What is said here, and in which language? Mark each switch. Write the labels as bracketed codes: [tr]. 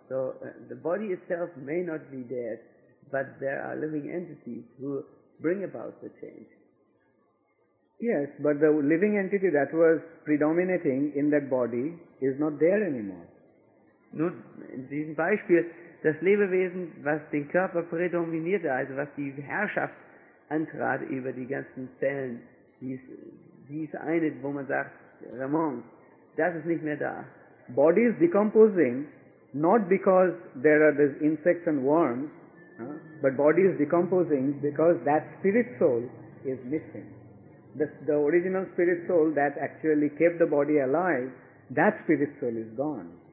[en] So the body itself may not be dead, but there are living entities who bring about the change. Yes, but the living entity that was predominating in that body is not there anymore. [de] Nun, in diesem Beispiel, das Lebewesen, was den Körper prädominierte, also was die Herrschaft antrat über die ganzen Zellen, dies eine, wo man sagt, Ramon, das ist nicht mehr da. [en] Body is decomposing, not because there are these insects and worms, but body is decomposing because that spirit soul is missing. The original spirit soul that actually kept the body alive, that spirit soul is gone.